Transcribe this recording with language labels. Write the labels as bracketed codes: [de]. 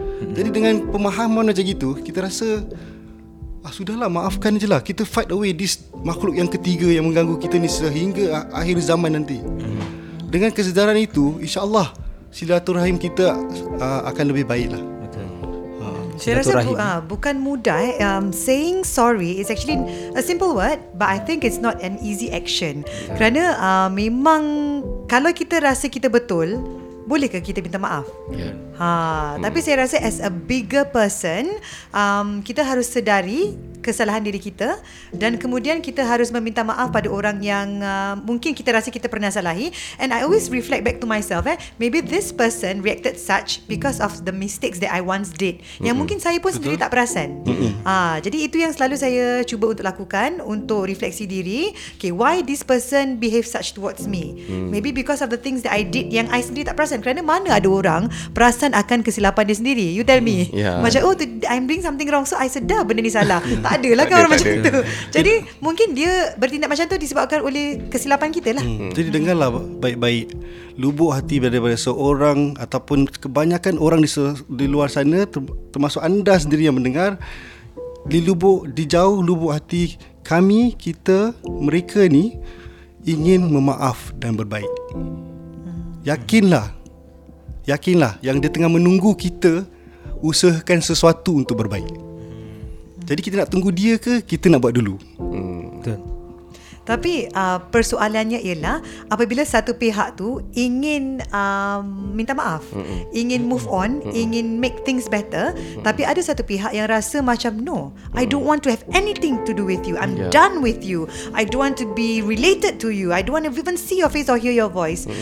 [ms] Jadi dengan pemahaman macam itu, kita rasa sudahlah, maafkan je lah. Kita [en] fight away this [ms] makhluk yang ketiga yang mengganggu kita ni sehingga akhir zaman nanti. Dengan kesedaran itu, insyaAllah silaturahim kita akan lebih baik lah. Saya rasa bukan mudah. [en] Saying sorry is actually a simple word, but I think it's not an easy action. [ms] Kerana memang kalau kita rasa kita betul, bolehkah kita minta maaf? [en] Yeah. [ms] Tapi saya rasa [en] as a bigger person, [ms] kita harus sedari kesalahan diri kita, dan kemudian kita harus meminta maaf pada orang yang mungkin kita rasa kita pernah salahi. [en] And I always reflect back to myself, maybe this person reacted such because of the mistakes that I once did, [ms] yang mungkin saya pun sendiri tak perasan. Jadi itu yang selalu saya cuba untuk lakukan, untuk refleksi diri. [en] Okay, why this person behave such towards me? Maybe because of the things that I did [ms] yang I sendiri tak perasan. Kerana mana ada orang perasan akan kesilapan dia sendiri? [en] You tell me. [ms] Macam [en] I'm doing something wrong, so I [ms] sedar benda ni salah. Tak adalah kan orang macam itu. Jadi mungkin dia bertindak macam tu disebabkan oleh kesilapan kita lah. Jadi dengarlah baik-baik. Lubuk hati daripada seorang ataupun kebanyakan orang di luar sana, termasuk anda sendiri yang mendengar, di jauh lubuk hati kami, kita, mereka ni ingin memaaf dan berbaik. Yakinlah, yakinlah yang dia tengah menunggu kita usahakan sesuatu untuk berbaik. Jadi kita nak tunggu dia ke kita nak buat dulu? Betul. Tapi persoalannya ialah apabila satu pihak tu ingin minta maaf, ingin move on, ingin make things better, tapi ada satu pihak yang rasa macam [en] no, I don't want to have anything to do with you, I'm done with you, I don't want to be related to you, I don't want to even see your face or hear your voice.